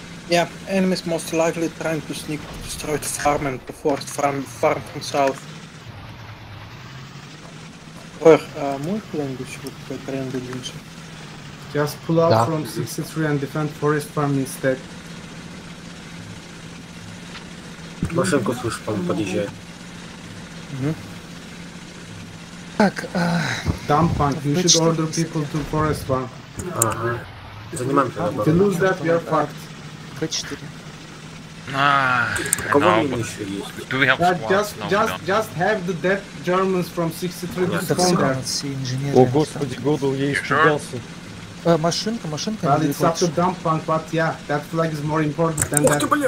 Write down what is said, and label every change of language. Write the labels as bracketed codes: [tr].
[en] Yeah, enemies most likely trying to sneak to destroy the farm and to force farm from south. [ru] Ох, а мой план еще какой-то рендер лучше. [en] Just pull out from 63 and defend forest farm instead. [ru] Машинку слышу, по-моему, подъезжает. Так, [en] Dumpunk, you should order people to forest farm. [ru] Занимаемся. [en] If you lose that, we are fucked. P4. [ru] Кого мы еще есть? [en] Do we have squads? Just have the dead Germans from 63 to spawn there. [ru] О господи, Годл, я испугался. Машинка. [en] Well, it's up to Dumpunk, but yeah, that flag is more important than that.